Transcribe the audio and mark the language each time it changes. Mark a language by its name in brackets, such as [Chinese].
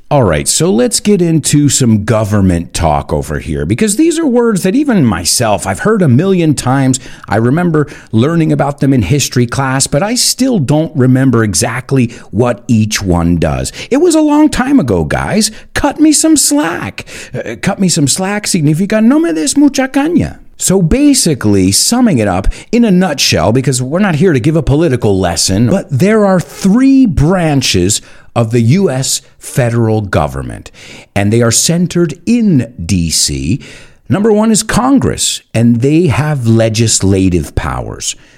[English] All right, so let's get into some government talk over here, because these are words that even myself, I've heard a million times. I remember learning about them in history class, but I still don't remember exactly what each one does. It was a long time ago, guys. Cut me some slack. Cut me some slack [Spanish] significa no me des mucha caña. [English] So basically, summing it up in a nutshell, because we're not here to give a political lesson, but there are three branches of the U.S. federal government, and they are centered in D.C. Number one is Congress, and they have legislative powers.